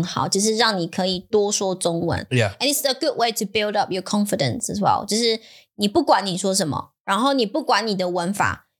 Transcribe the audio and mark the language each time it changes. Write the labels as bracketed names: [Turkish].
[Chinese] 可是，你知道我的问题是，我觉得有时候比较轻松、比较relaxing的课很好，就是让你可以多说中文。 [English] And it's a good way to build up your confidence as well. [Chinese] 就是你不管你说什么，然后你不管你的文法。